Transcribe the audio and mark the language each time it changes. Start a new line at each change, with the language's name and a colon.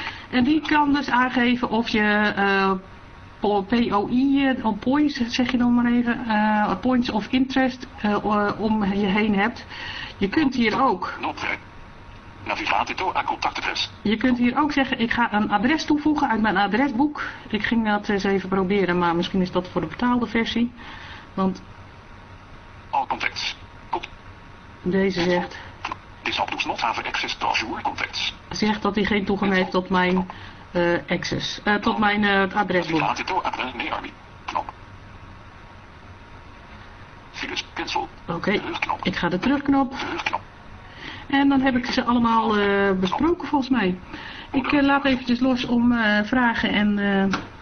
Dutch: En die kan dus aangeven of je POI, points, zeg je dan maar even, points of interest om je heen hebt. Je kunt hier ook. Navigatie door aan contactadres. Je kunt hier ook zeggen, ik ga een adres toevoegen uit mijn adresboek. Ik ging dat eens even proberen, maar misschien is dat voor de betaalde versie. Want
English: all contacts.
Dutch: Deze zegt.
English: This app does not have access to Azure contacts.
Dutch: Zegt dat hij geen toegang heeft tot mijn access. Tot mijn adresboek. Navigatie door adres nee, Army. Knop.
English: Files cancel.
Dutch: Oké, ik ga de terugknop. En dan heb ik ze allemaal besproken volgens mij. Ik laat eventjes los om vragen en...